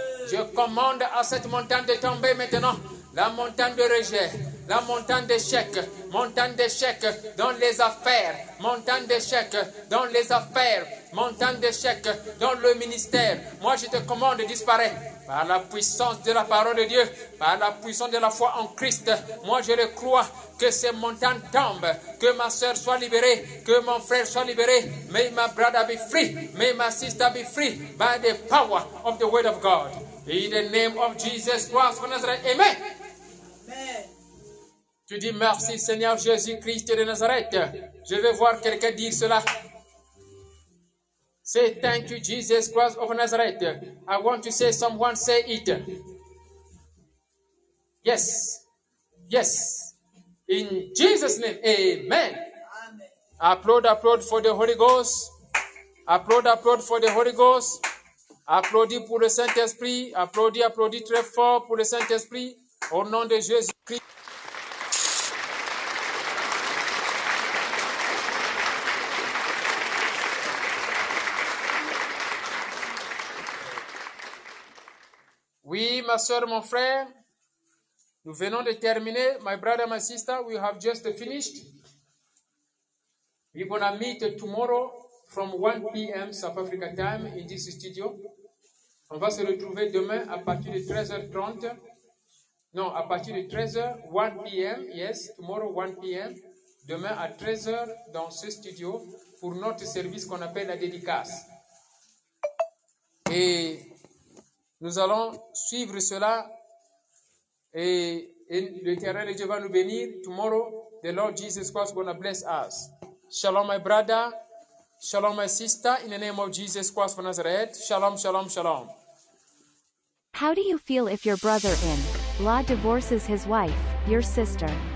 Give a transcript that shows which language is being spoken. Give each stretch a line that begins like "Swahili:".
French: Je commande à cette montagne de tomber maintenant. La montagne de rejet, la montagne d'échec dans les affaires, montagne d'échec dans les affaires, montagne d'échec dans le ministère. Moi, je te commande, disparaît. Par la puissance de la parole de Dieu, par la puissance de la foi en Christ, moi je le crois, que ces montagnes tombent, que ma soeur soit libérée, que mon frère soit libéré.
English: May my brother be free, may my sister be free, by the power of the word of God. In the name of Jesus Christ of Nazareth.
French: Amen. Amen. Tu dis merci Seigneur Jésus-Christ de Nazareth. Je veux voir quelqu'un dire cela.
English: Say thank you, Jesus Christ of Nazareth. I want to say someone say it. Yes. Yes. In Jesus' name. Amen. Applaud, applaud for the Holy Ghost. Applaud, applaud for the Holy Ghost.
French: Applaudis pour le Saint-Esprit. Applaudis, applaudis très fort pour le Saint-Esprit. Au nom de Jésus-Christ. Oui, ma soeur, mon frère, nous venons de terminer.
English: My brother, my sister, we have just finished. We're going to meet tomorrow from 1 p.m. South Africa time in this studio.
French: On va se retrouver demain à partir de 13h30. Non, à partir de 13h, 1 p.m.
English: Yes, tomorrow 1 p.m.
French: Demain à 13h dans ce studio pour notre service qu'on appelle la dédicace. Et nous allons suivre cela et l'Éternel Dieu va nous bénir.
English: Tomorrow, the Lord Jesus Christ is going to bless us. Shalom, my brother. Shalom, my sister. In the name of Jesus Christ of Nazareth. Shalom, shalom, shalom. How do you feel if your brother-in-law divorces his wife, your sister?